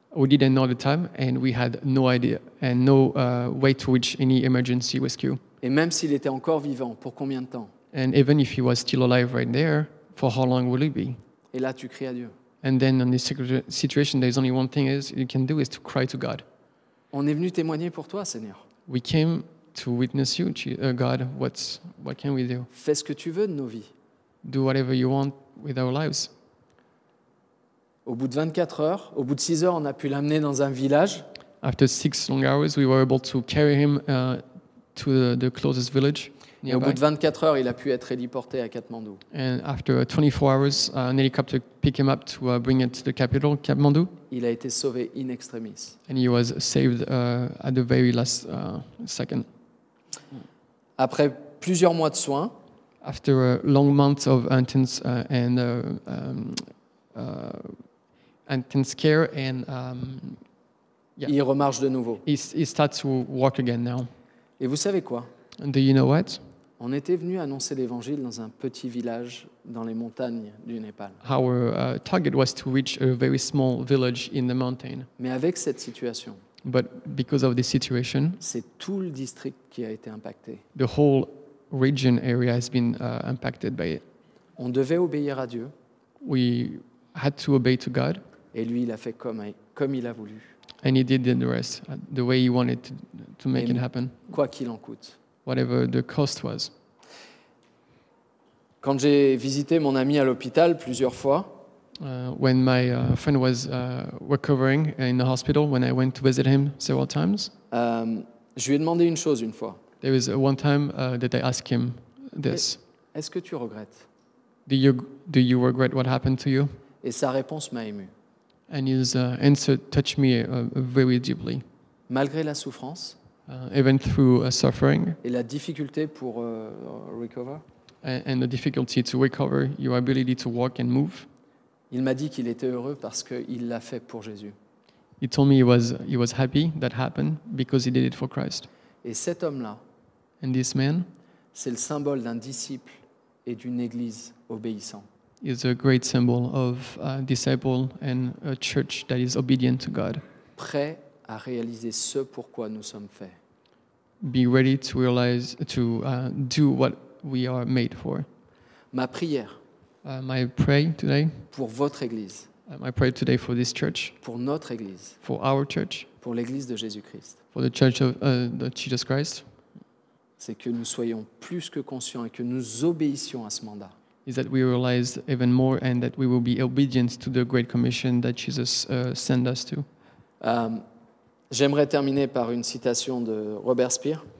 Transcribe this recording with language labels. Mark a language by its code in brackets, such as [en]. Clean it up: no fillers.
[en] We didn't know the time, and we had no idea and no way to reach any emergency rescue. [fr] Et même s'il était encore vivant, pour combien de temps? [en] And even if he was still alive right there. For how long will it be? [fr] Et là, tu cries à Dieu. [en] And then in this situation, there's only one thing you can do is to cry to God. [fr] On est venu témoigner pour toi, Seigneur. [en] We came to witness you, God. What can we do? [fr] Fais ce que tu veux de nos vies. [en] Do whatever you want with our lives. [fr] Au bout de 24 heures, au bout de 6 heures, on a pu l'amener dans un village. [en] After 6 long hours, we were able to carry him to the closest village. [fr] Et au bout de 24 heures, il a pu être héliporté à Katmandou. [en] And after 24 hours, an helicopter picked him up to bring it to the capital, Kathmandu. [fr] Il a été sauvé in extremis. [en] And he was saved at the very last second. [fr] Après plusieurs mois de soins, [en] after a long month of intense intense care and [fr] yeah. Il remarche de nouveau. [en] He starts to walk again now. [fr] Et vous savez quoi? [en] And do you know what? [fr] On était venu annoncer l'évangile dans un petit village dans les montagnes du Népal. [en] Our target was to reach a very small village in the mountain. [fr] Mais avec cette situation, [en] but because of this situation, [fr] c'est tout le district qui a été impacté. [en] The whole region area has been impacted by it. [fr] On devait obéir à Dieu. [en] We had to obey to God. [fr] Et lui, il a fait comme il a voulu. [en] And he did the rest the way he wanted to make it happen. [fr] Quoi qu'il en coûte. [en] Whatever the cost was. [fr] Quand j'ai visité mon ami à l'hôpital plusieurs fois, [en] when my friend was recovering in the hospital, when I went to visit him several times, [fr] je lui ai demandé une chose une fois. [en] There was one time that I asked him this. [fr] Est-ce que tu regrettes? [en] Do you regret what happened to you? [fr] Et sa réponse m'a ému. [en] And his answer touched me very deeply. [fr] Malgré la souffrance. [en] Even through suffering. [fr] Et la difficulté pour recover. [en] And the difficulty to recover, your ability to walk and move. [fr] Il m'a dit qu'il était heureux parce qu'il l'a fait pour Jésus. [en] He told me he was happy that happened because he did it for Christ. [fr] Et cet homme-là. [en] And this man. [fr] C'est le symbole d'un disciple et d'une église obéissant. [en] Is a great symbol of a disciple and a church that is obedient to God. [fr] Prêt à réaliser ce pourquoi nous sommes faits. [en] Be ready to realize to do what we are made for. [fr] Ma prière. [en] My pray today. [fr] Pour votre église. [en] My pray today for this church. [fr] Pour notre église. [en] For our church. [fr] Pour l'église de Jésus-Christ. [en] For the church of Jesus Christ. [fr] C'est que nous soyons plus que conscients et que nous obéissions à ce mandat. [en] Is that we realize even more and that we will be obedient to the great commission that Jesus sent us to. [fr] J'aimerais terminer par une citation de Robert Spear.